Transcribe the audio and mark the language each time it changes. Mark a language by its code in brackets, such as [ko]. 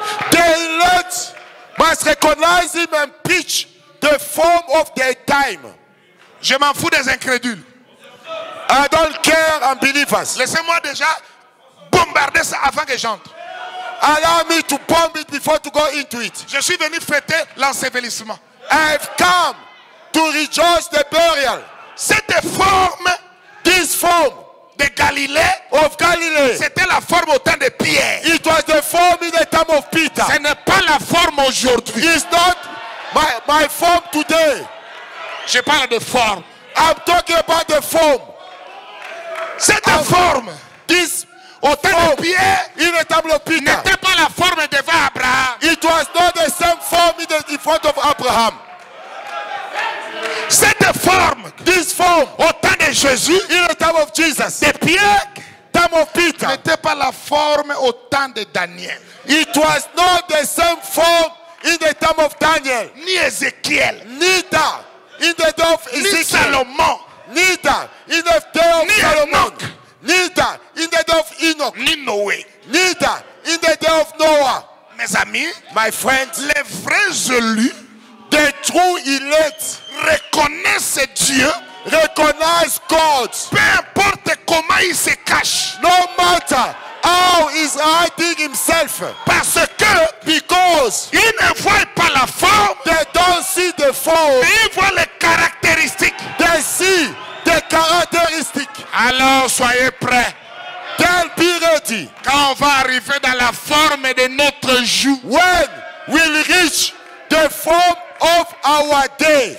[en] The elect must recognize him and preach the form of their time. [fr] Je m'en fous des incrédules. [en] I don't care unbelievers. [fr] Laissez-moi déjà bombarder ça avant que j'entre. [en] Allow me to bomb it before to go into it. [fr] Je suis venu fêter l'ensevelissement. [en] I've come to rejoice the burial. [fr] Cette forme, [en] this form, [fr] de Galilée, [en] of Galilee. [fr] C'était la forme au temps de Pierre. [en] It was the form in the time of Peter. [fr] Ce n'est pas la forme aujourd'hui. [en] It's not my form today. [fr] Je parle de forme. [en] I'm talking about the form. [fr] C'est la forme. [en] This [fr] au temps [en] form [fr] de Pierre, [en] in the time of Peter. [fr] N'était pas la forme devant Abraham. [en] It was not the same form in front of Abraham. [fr] Cette forme, [en] this form, [fr] au temps de Jésus, [en] in the time of Jesus, [fr] de Pierre, [en] time of Peter, [fr] n'était pas la forme au temps de Daniel. [en] It was not the same form in the time of Daniel, [fr] ni Ézéchiel, [en] neither in the day of Ezekiel, [fr] ni Salomon, [en] neither in the day of [fr] ni [en] Salomon, neither in the day of Enoch, [fr] ni Noé, [en] neither in the day of Noah. [fr] Mes amis, [en] my friends, [fr] les vrais élus, [en] the true elect, [fr] reconnaissent Dieu, [en] recognize God. [fr] Peu importe comment il se cache, [en] no matter how he's hiding himself, [fr] parce que, [en] because [fr] ils ne voient pas la forme, [en] they don't see the form, [fr] mais ils voient les caractéristiques, [en] they see the characteristics. [fr] Alors soyez prêts. [en] Then be ready. [fr] Quand on va arriver dans la forme de notre jour, [en] when we'll reach the form of our day.